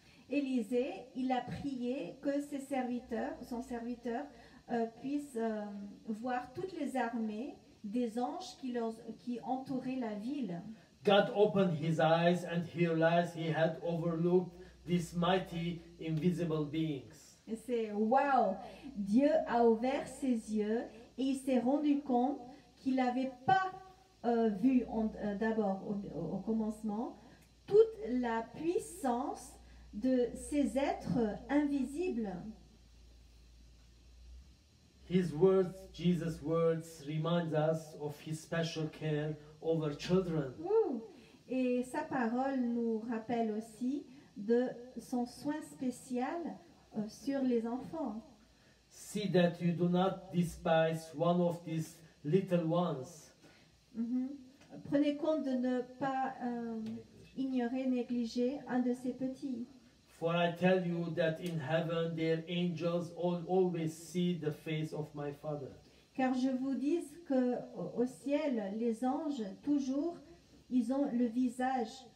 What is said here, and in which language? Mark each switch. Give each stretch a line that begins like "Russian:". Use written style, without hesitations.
French: Élisée, il a prié que ses serviteurs, son serviteur, puissent voir toutes les armées des anges qui entouraient la ville.
English: God opened his eyes and he realized he had overlooked these mighty invisible beings.
French: Et c'est wow! Dieu a ouvert ses yeux et il s'est rendu compte qu'il n'avait pas vu d'abord au commencement toute la puissance de ces êtres invisibles.
English: His words, Jesus' words, remind us of his special care over children.
French: Et sa parole nous rappelle aussi de son soin spécial sur les enfants.
English: See that you do not despise one of these little ones.
French: Prenez compte de ne pas ignorer, négliger un de ces petits.
English: For I tell you that in heaven their angels always see the face of my Father.
French: Car je vous dis que au ciel les anges toujours ils ont le visage.